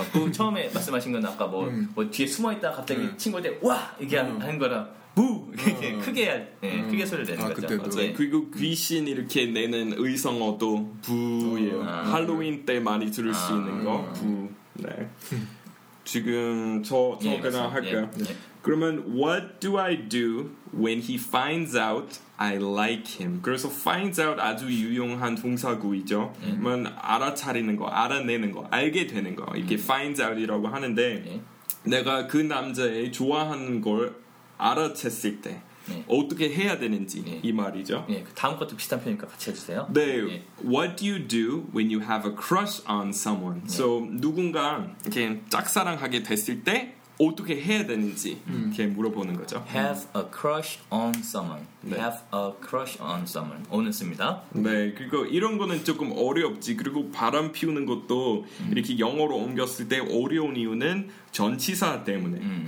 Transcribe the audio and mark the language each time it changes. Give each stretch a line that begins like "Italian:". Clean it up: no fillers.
Korean: 그 처음에 말씀하신 건 아까 뭐, 뭐 뒤에 숨어 있다 갑자기 친구한테 와 이게 하는 거라 부 크게 할, 네, 크게 소리를 내는 아, 거죠. 맞아요. 그리고 귀신 이렇게 내는 의성어도 부예요. 할로윈 때 많이 들을 수 있는 거 부. 네. 지금 저 예, 그냥 할까요? 예, 예.
English: 그러면 What do I do when he finds out I like him?
Korean: 그래서 finds out 아주 유용한 동사구이죠. 그러면 알아차리는 거, 알아내는 거, 알게 되는 거 이렇게 finds out이라고 하는데 예. 내가 그 남자의 좋아하는 걸 알아챘을 때 예. 어떻게 해야 되는지 예. 이 말이죠. 예, 다음 것도 비슷한 표현이니까 같이 해주세요. 네, 예.
English: What do you do when you have a crush on someone? 예.
Korean: So 누군가 이렇게 짝사랑하게 됐을 때 어떻게 해야 되는지 이렇게 물어보는 거죠.
English: Have a crush on someone. 네. Have a crush on someone.
Korean: 오늘 씁니다. 네, 그리고 이런 거는 조금 어렵지. 그리고 바람 피우는 것도 이렇게 영어로 옮겼을 때 어려운 이유는 전치사 때문에.